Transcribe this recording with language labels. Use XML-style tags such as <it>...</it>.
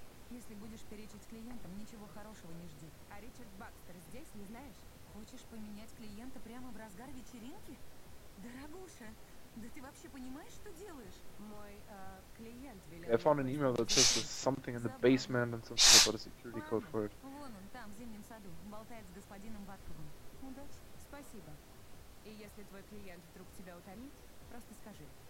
<ru>Если будешь перечить клиентам, ничего хорошего не жди. А Ричард Бакстер здесь, не знаешь? Хочешь поменять клиента прямо в разгар вечеринки? Дорогуша, да ты вообще понимаешь, что делаешь? Мой клиент велел...</ru> <en>I found an email that says there's something in the basement and something about a security code for it.</en> <ru>Вон он, там, в зимнем саду, болтает с господином Батковым. Удачи, спасибо. И если твой клиент вдруг тебя утомит, просто скажи.</ru>